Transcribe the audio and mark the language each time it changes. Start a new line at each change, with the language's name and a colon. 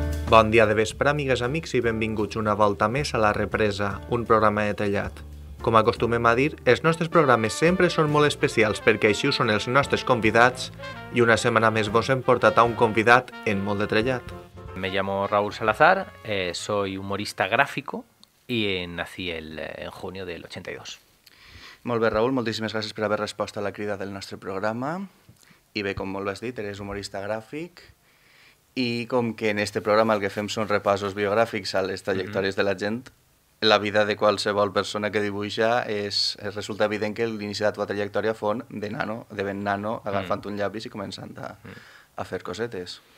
Catalan: Bon dia de vespre, amigues, amics, i benvinguts una volta més a La Represa, un programa de trellat. Com acostumem a dir, els nostres programes sempre són molt especials perquè així ho són els nostres convidats i una setmana més vos hem portat a un convidat en molt de trellat.
Spanish: Me llamo Raúl Salazar, soy humorista gráfico y nací en junio del 82.
Catalan: Molt bé, Raúl, moltíssimes gràcies per haver respost a la crida del nostre programa. I bé, com molt has dit, eres humorista gràfic. I com que en este programa el que fem són repassos biogràfics a les trajectòries de la gent, la vida de qualsevol persona que dibuixa resulta evident que l'inici de la teva trajectòria fon de nano, de ben nano, agafant un llapis i començant a fer cosetes.